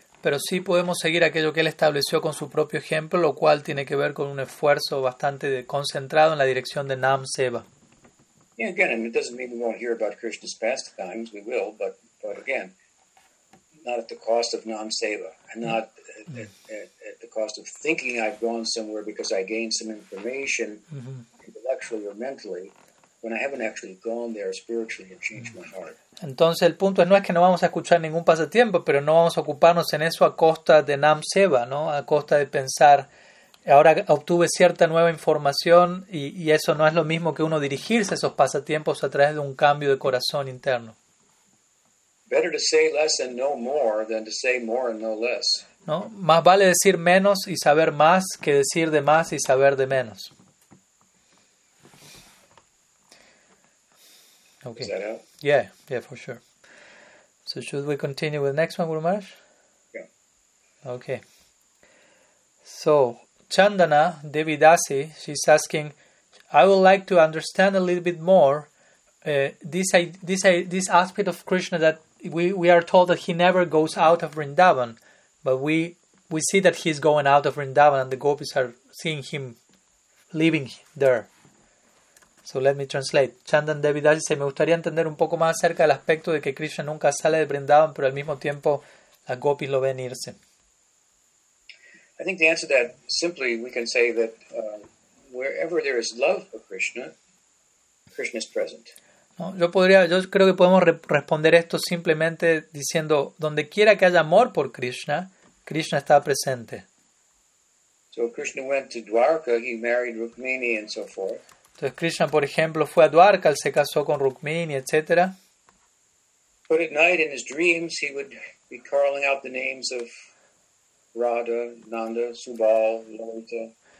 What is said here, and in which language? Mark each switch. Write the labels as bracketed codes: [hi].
[es] Pero sí podemos seguir aquello que él estableció con su propio ejemplo, lo cual tiene que ver con un esfuerzo bastante concentrado en la dirección de Nam Seva. [en] Yeah, again, it doesn't mean we won't hear about Krishna's pastimes, we will, but again, not at the cost of Nam Seva, and not at the cost of thinking I've gone somewhere because I gained some information, mm-hmm. intellectually or mentally, when I haven't actually gone there spiritually and changed mm-hmm. my heart. [es] Entonces el punto es, no es que no vamos a escuchar ningún pasatiempo, pero no vamos a ocuparnos en eso a costa de Nam Seva, ¿no? A costa de pensar, ahora obtuve cierta nueva información y eso no es lo mismo que uno dirigirse a esos pasatiempos a través de un cambio de corazón interno. [en] Better to say less and know more than to say more and know less. [es] ¿No? Más vale decir menos y saber más que decir de más y saber de menos. [en] Okay. Is that out? Yeah, for sure. So should we continue with the next one, Guru Maharaj? Yeah. Okay. So, Chandana Devi Dasi, she's asking, I would like to understand a little bit more this aspect of Krishna that we are told that he never goes out of Vrindavan, but we see that he's going out of Vrindavan and the gopis are seeing him leaving there. So let me translate. [es] Chandan Devi Dasi dice, me gustaría entender un poco más acerca del aspecto de que Krishna nunca sale de Vrindavan, pero al mismo tiempo las gopis lo ven irse. [en] I think the answer to that, simply we can say that wherever there is love for Krishna, Krishna is present. [es] No, yo creo que podemos responder esto simplemente diciendo, donde quiera que haya amor por Krishna, Krishna está presente. [en] So Krishna went to Dwarka, he married Rukmini and so forth. [es] Entonces Krishna, por ejemplo, fue a Dwarka, se casó con Rukmini, etc. [en] But at night in his dreams he would be calling out the names of Radha, Nanda, Subal, Lalita.